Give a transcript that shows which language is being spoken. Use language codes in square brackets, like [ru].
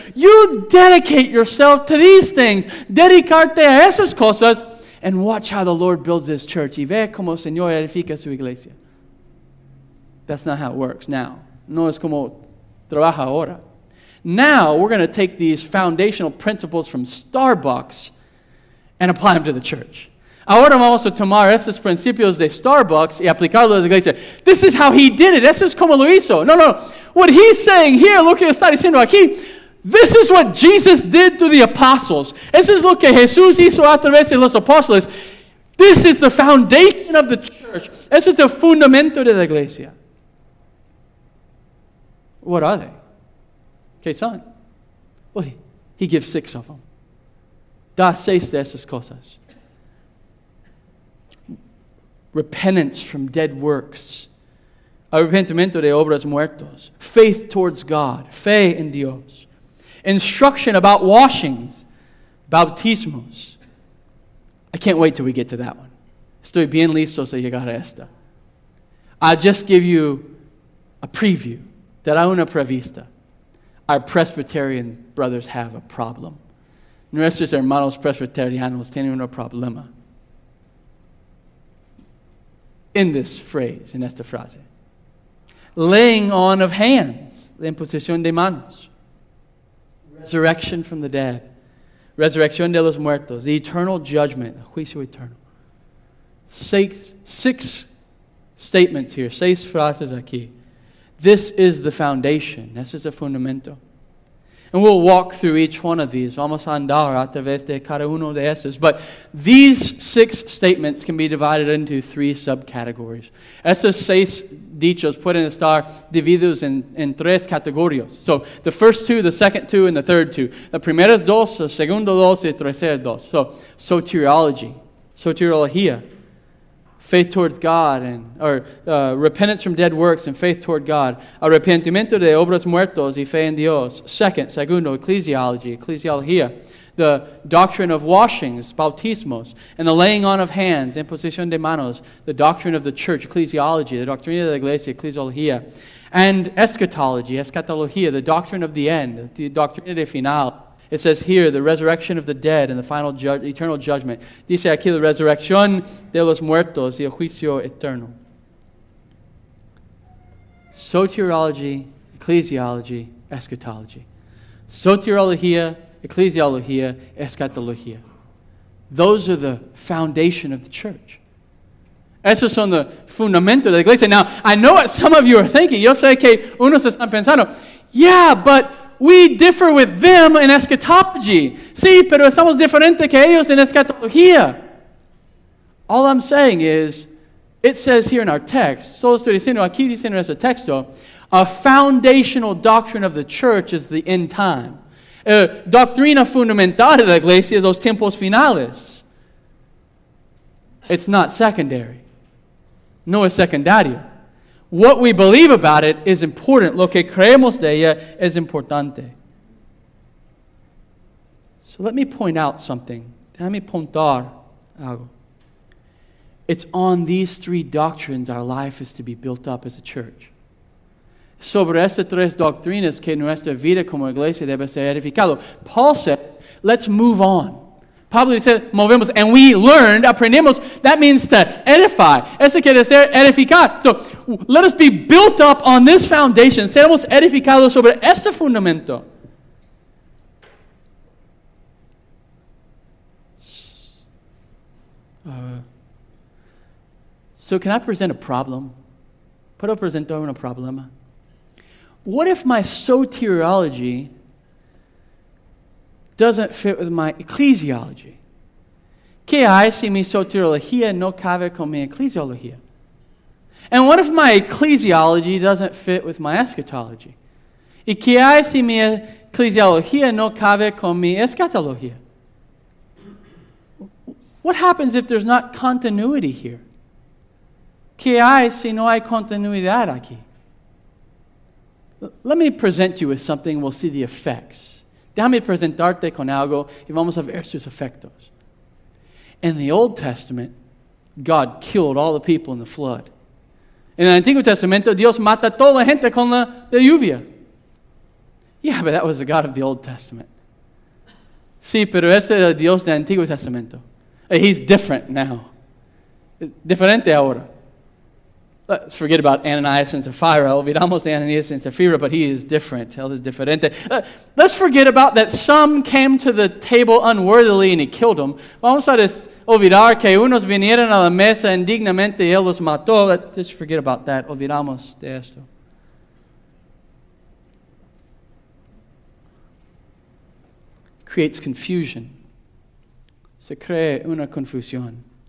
[en] You dedicate yourself to these things. [es] Dedicarte a esas cosas. [en] And watch how the Lord builds his church. [es] Y ve como el Señor edifica su iglesia. [en] That's not how it works now. [es] No es como trabaja ahora. [en] Now, we're going to take these foundational principles from Starbucks and apply them to the church. [es] Ahora vamos a tomar esos principios de Starbucks y aplicarlos a la iglesia. [en] This is how he did it. [es] Eso es como lo hizo. [en] No. What he's saying here, [es] lo que está diciendo aquí, [en] this is what Jesus did to the apostles. [es] Eso es lo que Jesús hizo a través de los apóstoles. [en] This is the foundation of the church. [es] Eso es el fundamento de la iglesia. [en] What are they? [es] ¿Qué son? [en] Well, he gives six of them. [es] Da seis de esas cosas. [en] Repentance from dead works. [es] Arrepentimiento de obras muertos. [en] Faith towards God. [es] Fe en Dios. [en] Instruction about washings. Bautismos. I can't wait till we get to that one. [es] Estoy bien listo si llegar a esta. [en] I'll just give you a preview. [es] Dar una prevista. [en] Our Presbyterian brothers have a problem. [es] Nuestros hermanos presbiterianos tienen un problema. [en] In this phrase, in [es] esta frase. [en] Laying on of hands. [es] La imposición de manos. [en] Resurrection from the dead. [es] Resurrección de los muertos. [en] The eternal judgment. [es] Juicio eterno. [en] Six statements here. [es] Seis frases aquí. [en] This is the foundation. [es] Este es el fundamento. [en] And we'll walk through each one of these. [es] Vamos a andar a través de cada uno de estos. [en] But these six statements can be divided into three subcategories. [es] Estos seis dichos pueden estar divididos en tres categorías. [en] So the first two, the second two, and the third two. [es] The primeras dos, el segundo dos, y el tercer dos. [en] So soteriology, soteriología. Faith towards God, or repentance from dead works and faith toward God. [es] Arrepentimiento de obras muertos y fe en Dios. Segundo, ecclesiología. [en] The doctrine of washings, bautismos, and the laying on of hands, [es] imposición de manos. [en] The doctrine of the church, ecclesiology. [es] The doctrina de la iglesia, ecclesiología. And eschatology, eschatología. [en] The doctrine of the end, the [es] doctrina de final. [en] It says here, the resurrection of the dead and the final eternal judgment. [es] Dice aquí, la resurrección de los muertos y el juicio eterno. [en] Soteriology, ecclesiology, eschatology. [es] Soteriología, ecclesiología, eschatología. [en] Those are the foundation of the church. [es] Esos son los fundamentos de la iglesia. [en] Now, I know what some of you are thinking. [es] Yo sé que unos están pensando, [en] yeah, but we differ with them in eschatology. [es] Sí, pero estamos diferentes que ellos en eschatología. [en] All I'm saying is, it says here in our text, [es] solo estoy diciendo, aquí dice en nuestro texto, [en] a foundational doctrine of the church is the end time. [es] Doctrina fundamental de la iglesia es los tiempos finales. [en] It's not secondary. [es] No es secundario. [en] What we believe about it is important. [es] Lo que creemos de ella es importante. [en] So let me point out something. [es] Déjame apuntar algo. [en] It's on these three doctrines our life is to be built up as a church. [es] Sobre estas tres doctrinas que nuestra vida como iglesia debe ser edificado. [en] Paul said, let's move on. Pablo dice, movemos, and we learned, aprendemos, that means to edify. [es] Eso quiere decir edificar. [en] So, let us be built up on this foundation. [es] Seremos edificados sobre este fundamento. [en] Uh, So can I present a problem? [es] ¿Puedo presentar un problema? [en] What if my soteriology doesn't fit with my ecclesiology? [es] ¿Qué hay si mi soteriología no cabe con mi ecclesiología? [en] And what if my ecclesiology doesn't fit with my eschatology? [es] ¿Y qué hay si mi ecclesiología no cabe con mi eschatología? [en] What happens if there's not continuity here? [es] ¿Qué hay si no hay continuidad aquí? [en] Let me present you with something. We'll see the effects. [es] Déjame presentarte con algo y vamos a ver sus efectos. [en] In the Old Testament, God killed all the people in the flood. [es] In the Antiguo Testamento, Dios mata toda la gente con la lluvia. [en] Yeah, but that was the God of the Old Testament. [es] Sí, pero ese era Dios del Antiguo Testamento. [en] He's different now. [es] Diferente ahora. [en] Let's forget about Ananias and Sapphira. [es] Olvidamos de [en] Ananias and Sapphira, but he is different. [es] Él es diferente. [en] Let's forget about that some came to the table unworthily and he killed them. [es] Vamos a olvidar que unos vinieron a la mesa indignamente y él los mató. [en] Let's forget about that. [es] Olvidamos de esto. [en] Creates confusion. [es] Se crea una confusión.